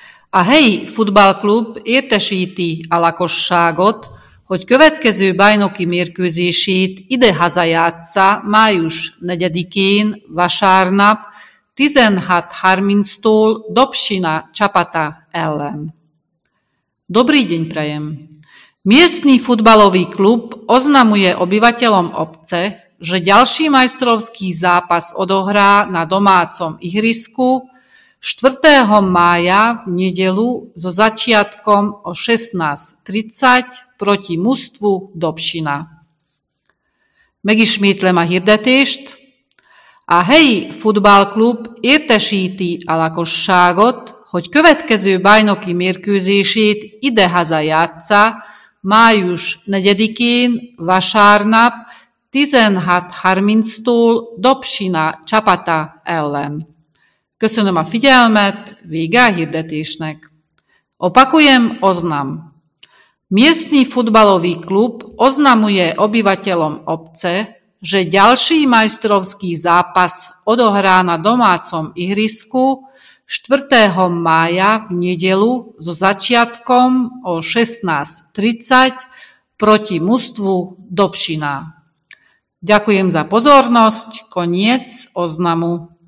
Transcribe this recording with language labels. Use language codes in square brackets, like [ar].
[hu] A helyi futballklub értesíti a lakosságot, hogy következő bajnoki mérkőzését idehaza játssza május 4-én vasárnap 16:30-tól Dobšina csapata ellen. [sk] Dobrý deň prajem! Miestny futbalový klub oznamuje obyvateľom obce, že ďalší majstrovský zápas odohrá na domácom ihrisku 4. mája v nedeľu so začiatkom o 16:30 proti mužstvu Dobšina. [hu] Megismétlem a hirdetést. A helyi futballklub értesíti a lakosságot, hogy következő bajnoki mérkőzését idehaza játssza május 4-én vasárnap 16:30-tól Dobšina csapata ellen. Köszönöm a figyelmet, vége a hirdetésnek. [sk] Opakujem oznam. Miestny futbalový klub oznamuje obyvateľom obce, že ďalší majstrovský zápas odohrá na domácom ihrisku 4. mája v nedeľu so začiatkom o 16:30 proti mužstvu Dobšina. Ďakujem za pozornosť, koniec oznamu.